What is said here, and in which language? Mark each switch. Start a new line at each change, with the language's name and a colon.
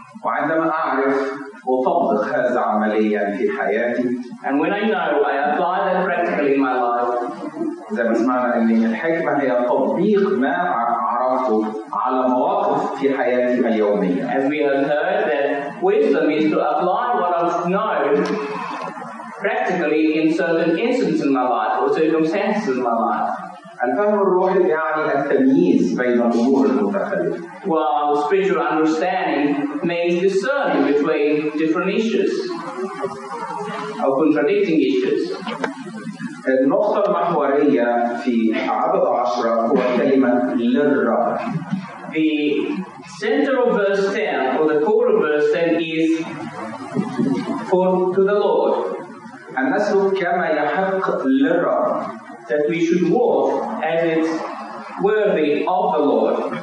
Arabic: وعندما أعرف أطبق هذا عمليا في حياتي.
English: And when I know, I apply that practically in my life.
Arabic: إذا بسمعنا أن الحكمة هي تطبيق ما عرفته على مواقف في حياتي اليومية.
English: As we have heard that wisdom is to apply what I know practically in certain instances in my life or circumstances in my life.
Arabic: الفهم الروحي يعني التمييز بين الأمور المتخلفة.
English: While spiritual understanding means discerning between different issues or contradicting issues.
Arabic: النقطة المحورية في عدد عشرة هو كلمة للرب.
English: The center of verse 10 or the core of verse 10 is for to the Lord.
Arabic: أن نسلك كما يحق للرب.
English: That we should walk as it's worthy of the Lord.